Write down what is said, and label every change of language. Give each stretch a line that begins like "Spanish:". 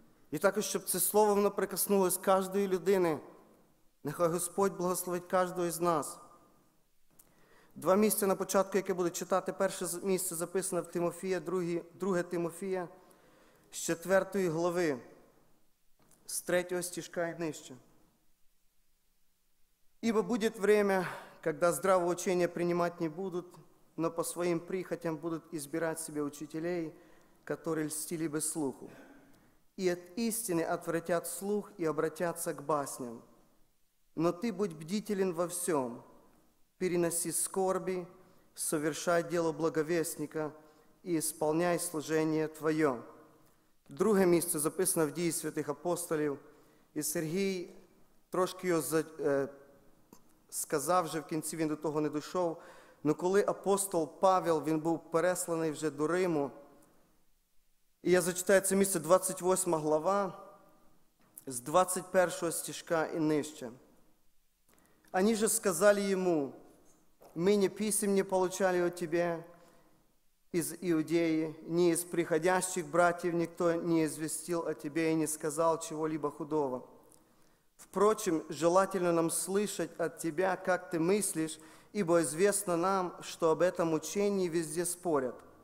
Ukrainian: І також, щоб це слово, воно прикоснулося кожної людини. Нехай Господь благословить кожного з нас. Два місця на початку, яке буду читати. Перше місце записане в Тимофія, друге Тимофія, з 4 глави, з 3 стіжка і нижче.
Russian: «Ібо буде время, когда здравого учения принимать не будут, но по своим прихотям будут избирать себе учителей, которые льстили бы слуху, и от истины отвратят слух и обратятся к басням. Но ты будь бдителен во всем, переноси скорби, совершай дело благовестника и исполняй служение твое».
Ukrainian: Друге місце записано в Дії святих апостолів, і Сергій трошки його сказав вже в кінці, він до того не дійшов. Ну, коли апостол Павел, він був пересланий вже до Риму, і я зачитаю це місце, 28 глава, з 21 стіжка і нижче.
Russian: «Ані же сказали йому, ми не писем не получали от тебе из Иудеи, ни из приходящих братьев никто не известил о тебе и не сказал чего-либо худого. Впрочем, желательно нам слышать от тебя, как ты мыслишь, ибо известно нам, что об этом учении везде спорят.